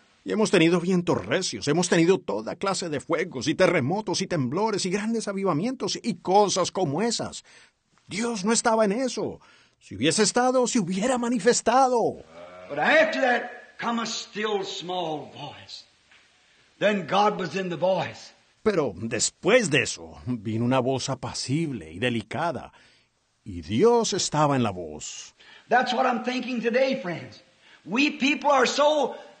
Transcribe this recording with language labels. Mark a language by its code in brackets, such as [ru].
[es] Y hemos tenido vientos recios, hemos tenido toda clase de fuegos y terremotos y temblores y grandes avivamientos y cosas como esas. Dios no estaba en eso. Si hubiese estado, se hubiera manifestado. [en] But after that come a still small voice. Then God was in the voice. [es] Pero después de eso, vino una voz apacible y delicada, y Dios estaba en la voz. [en] That's what I'm thinking today, friends. We people are so